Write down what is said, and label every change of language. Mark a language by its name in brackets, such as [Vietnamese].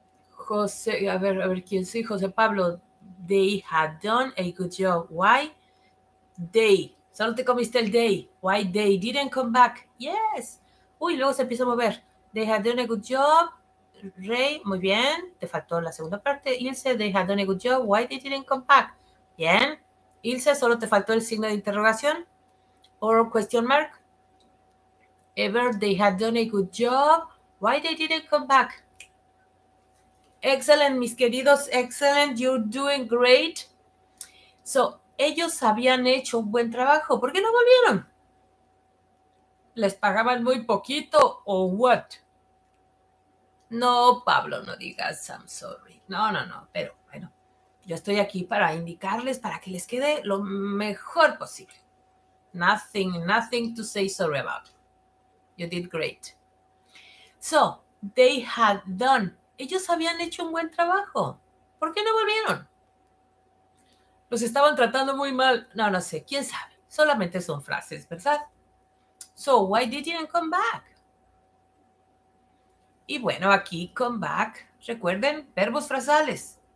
[English] José, [Spanish] a ver, ¿quién soy? [English] José Pablo. They had done a good job. Why? They. [Spanish] Solo te comiste el they. [English] Why they didn't come back? Yes. [Spanish] Uy, luego se empieza a mover. [English] They had done a good job. [Spanish] Ray, muy bien, te faltó la segunda parte. [English] Ilse, they had done a good job. Why they didn't come back? [Spanish] Bien. Ilse, solo te faltó el signo de interrogación. [English] Or question mark. Ever, they had done a good job. Why they didn't come back? Excellent, [Spanish] mis queridos. [English] Excellent, you're doing great. [Spanish] So, ellos habían hecho un buen trabajo. ¿Por qué no volvieron? ¿Les pagaban muy poquito o what? No, Pablo, no digas [English] I'm sorry. [Spanish] No, pero bueno, yo estoy aquí para indicarles para que les quede lo mejor posible. [English] Nothing to say sorry about. You did great. So, they had done. [Spanish] Ellos habían hecho un buen trabajo. ¿Por qué no volvieron? Los estaban tratando muy mal. No, no sé. ¿Quién sabe? Solamente son frases, ¿verdad? [English] So, why did you come back? [Spanish] Y bueno, aquí, come back. Recuerden, verbos frasales.